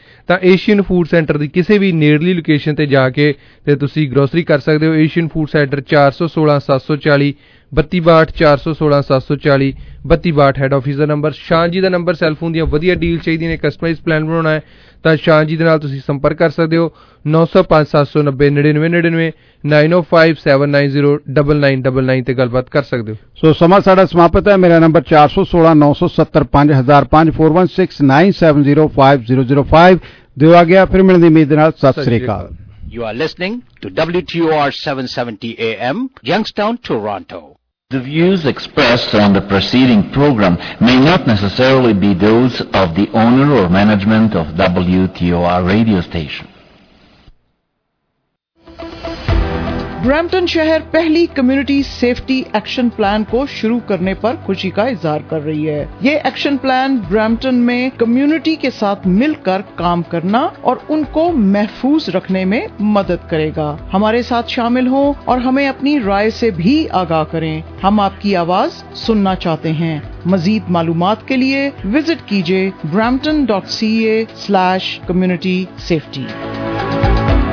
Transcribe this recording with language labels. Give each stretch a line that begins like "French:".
Punjabi: ਤਾਂ Asian food centre ਦੀ ਕਿਸੇ ਵੀ ਨੇੜਲੀ location ਤੇ ਜਾ ਕੇ ਤੇ ਤੁਸੀਂ ਗਰੋਸਰੀ ਕਰ ਸਕਦੇ ਹੋ Asian food centre 416-740-3262 head office ਦਾ ਨੰਬਰ ਸ਼ਾਨ ਜੀ ਦਾ ਨੰਬਰ ਸੈੱਲ ਫੋਨ ਦੀਆਂ ਵਧੀਆ ਡੀਲ ਚਾਹੀਦੀਆਂ ਨੇ ਕਸਟਮਾਈਜ਼ ਪਲਾਨ ਬਣਾਉਣਾ ਹੈ ਤਾਂ ਸ਼ਾਨ ਜੀ ਦੇ ਨਾਲ ਤੁਸੀਂ ਸੰਪਰਕ ਕਰ ਸਕਦੇ ਹੋ 905-790-9999 ਤੇ ਗੱਲਬਾਤ ਕਰ ਸਕਦੇ ਹੋ ਸੋ ਸਮਾਂ ਸਾਡਾ ਸਮਾਪਤ ਹੈ ਮੇਰਾ ਨੰਬਰ 416-970-5000-5416-970-5005 ਫਿਰ ਮਿਲਣ ਦੀ ਉਮੀਦ ਦੇ ਨਾਲ ਸਤਿ ਸ੍ਰੀ ਅਕਾਲ
English: You are listening to WTOR 770 AM, Youngstown, Toronto. The views expressed on the preceding program may not necessarily be those of the owner or management of WTOR radio station.
Hindi: Brampton शहर पहली community safety action plan को शुरू करने पर खुशी का इजहार कर रही है ये एक्शन प्लान ब्रैम्पटन में कम्युनिटी के साथ मिलकर काम करना और उनको महफूज रखने में मदद करेगा हमारे साथ शामिल हों और हमें अपनी राय से भी आगाह करें हम आपकी आवाज सुनना चाहते हैं मजीद मालूमात के लिए विजिट कीजिए brampton.ca/community-safety